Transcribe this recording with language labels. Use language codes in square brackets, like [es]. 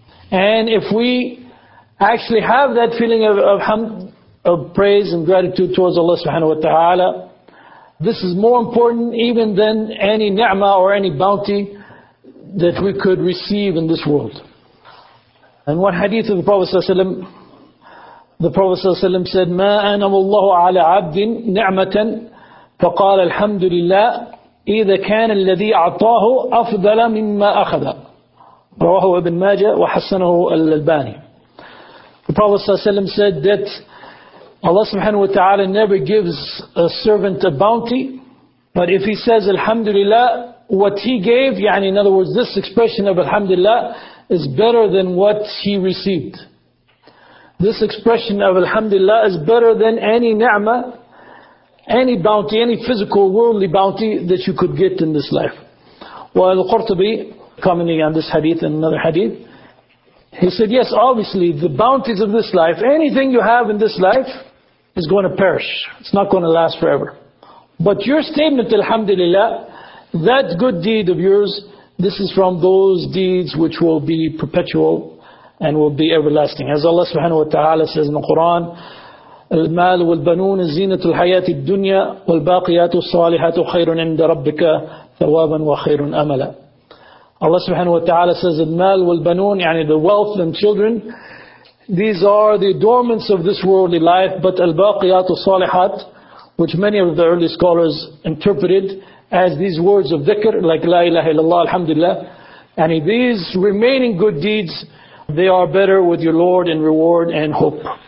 [en] And if we actually have that feeling of hamd, of praise and gratitude towards Allah subhanahu wa ta'ala, this is more important even than any ni'mah or any bounty that we could receive in this world. And one hadith of the Prophet ﷺ, the Prophet ﷺ said, [ar] مَا أَنَا وَاللَّهُ عَلَىٰ عَبْدٍ نِعْمَةً فَقَالَ الْحَمْدُ لِلَّهِ إِذَا كَانَ الَّذِي أَعْطَاهُ أَفْضَلَ مِمَّا أَخَذَ. رواه ابن ماجه وحسنه الألباني. [en] The Prophet ﷺ said that Allah subhanahu wa ta'ala never gives a servant a bounty, but if he says Alhamdulillah, what he gave, يعني in other words, this expression of Alhamdulillah is better than what he received. This expression of Alhamdulillah is better than any ni'mah, any bounty, any physical worldly bounty that you could get in this life. While Qurtubi, commenting on this hadith and another hadith, he said, yes, obviously the bounties of this life, anything you have in this life is going to perish. It's not going to last forever. But your statement, Alhamdulillah, that good deed of yours, this is from those deeds which will be perpetual and will be everlasting. As Allah subhanahu wa ta'ala says in the Quran, [ar] المال والبنون زينة الحياة الدنيا والباقيات الصالحات خير عند ربك ثوابا وخير أملا. [en] Allah subhanahu wa ta'ala says, [ar] المال والبنون, [en] يعني the wealth and children, these are the adornments of this worldly life, but [ar] الباقيات الصالحات, [en] which many of the early scholars interpreted as these words of dhikr, like la ilaha illallah, alhamdulillah, and these remaining good deeds, they are better with your Lord in reward and hope.